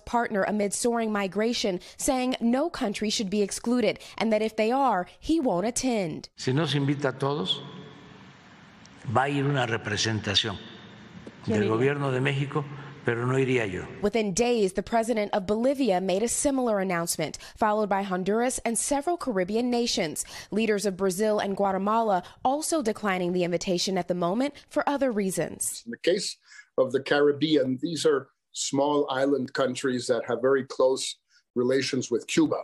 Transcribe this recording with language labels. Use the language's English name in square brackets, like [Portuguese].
[English] partner amid soaring migration saying no country should be excluded and that if they are, he won't attend. [Spanish] Si no se invita a todos, va a ir una representación del gobierno de México, pero no iría yo. [English] Within days, the president of Bolivia made a similar announcement, followed by Honduras and several Caribbean nations. Leaders of Brazil and Guatemala also declining the invitation at the moment for other reasons. In the case of the Caribbean, these are small island countries that have very close relations with Cuba.